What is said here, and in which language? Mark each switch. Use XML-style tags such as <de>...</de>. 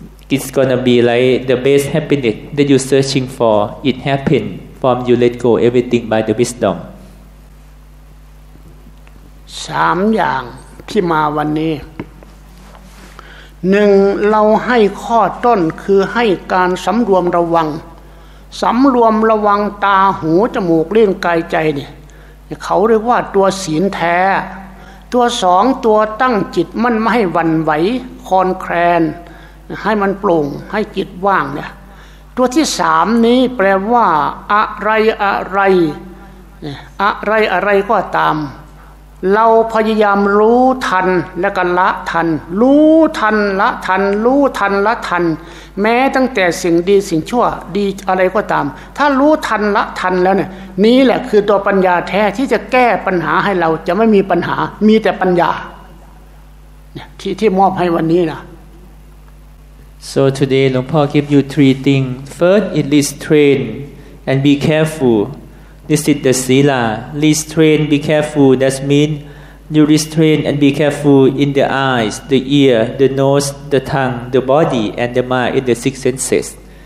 <en>It's gonna be like the best happiness that you're searching for. It happens from you let go everything by the wisdom. Three things that came today. One, we give the first one, which is to give the attention.</en> <th>สำรวมระวังตาหูจมูกลิ้นกายใจเนี่ยเขาเรียกว่าตัวศีลแท้ตัวสองตัวตั้งจิตมันไม่ให้วันไหวคอนแคลนให้มันโปร่งให้จิตว่างเนี่ยตัวที่สามนี้แปลว่าอะไรอะไร อะไรอะไรก็ตามเราพยายามรู้ทันและก็ละทันรู้ทันละทันรู้ทันละทันแม้ตั้งแต่สิ่งดีสิ่งชั่วดีอะไรก็ตามถ้ารู้ทันละทันแล้วเนี่ยนี่แหละคือตัวปัญญาแท้ที่จะแก้ปัญหาให้เราจะไม่มีปัญหามีแต่ปัญญาเนี่ยที่มอบให้วันนี้นะ</th> <en>So today หลวงพ่อ give you three things first it is train and be carefulThis is the sila. Restrain, be careful. That means You restrain and be careful in the eyes, the ear, the nose, the tongue, the body, and the mind in the six senses.</en>